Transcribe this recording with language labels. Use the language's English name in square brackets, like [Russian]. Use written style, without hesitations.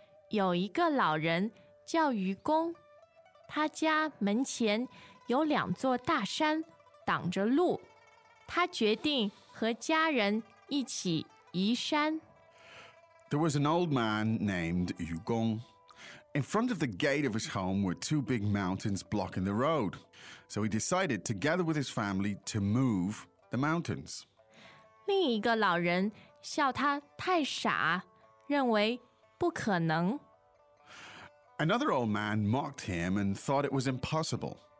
[Chinese] 有一个老人叫愚公，他家门前有两座大山挡着路，他决定和家人一起移山。 [English] There was an old man named Yu Gong. In front of the gate of his home were two big mountains blocking the road. So he decided, together with his family, to move the mountains. [Chinese] 另一个老人笑他太傻，认为不可能。 [English] Another old man mocked him and thought it was impossible.